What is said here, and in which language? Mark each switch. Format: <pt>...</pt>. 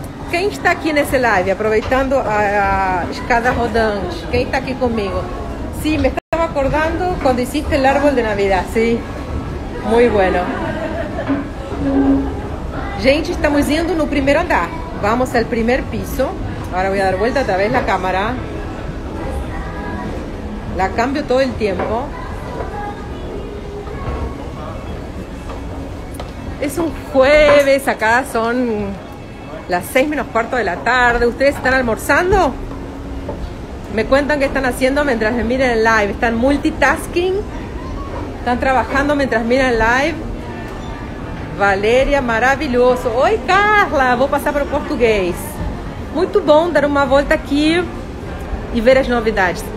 <pt>Quem está aqui nesse live, aproveitando a escada rodante? Quem está aqui comigo? Sim, me estava acordando quando hiciste o árvore de Navidad. Sim, muito bueno. Gente, estamos indo no primeiro andar.</pt> <es>Vamos al primer piso. Ahora voy a dar vuelta otra vez la cámara. La cambio todo el tiempo. Es un jueves. Acá son las 6:15 de la tarde. ¿Ustedes están almorzando? Me cuentan que están haciendo mientras me miran el live. Están multitasking. Están trabajando mientras miran el live.</es> <pt>Valeria, maravilhoso. Oi, Carla. Vou passar para o português. Muito bom dar uma volta aqui e ver as novidades.</pt>